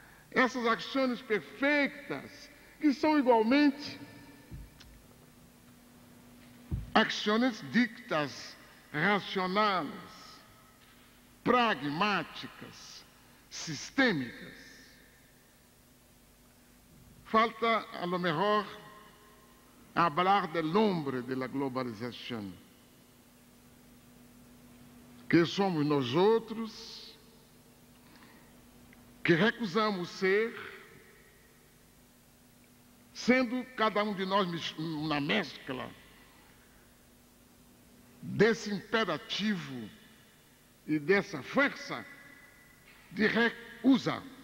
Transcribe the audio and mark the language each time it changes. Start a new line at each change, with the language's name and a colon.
Portuguese: Essas ações perfeitas, que são igualmente ações ditas racionais, pragmáticas, sistêmicas.
Spanish: Falta, a lo mejor, hablar del hombre de la globalización.
Portuguese: Que somos nós outros, que recusamos ser, sendo cada um de nós uma mescla desse imperativo e dessa força de recusa.